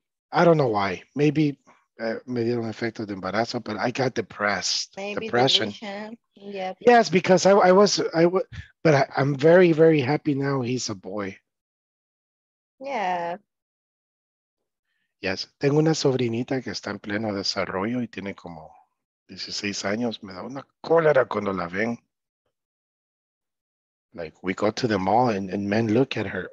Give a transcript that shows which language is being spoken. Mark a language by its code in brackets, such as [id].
[en] I don't know why. Maybe [es] me dieron efecto de embarazo, [en] but I got depressed. Maybe depression. Yeah. Yes, because I'm very, very happy now he's a boy. Yeah. Yes. [es] Tengo una sobrinita que está en pleno desarrollo y tiene como 16 años. Me da una cólera cuando la ven. [en] Like, we go to the mall and men look at her.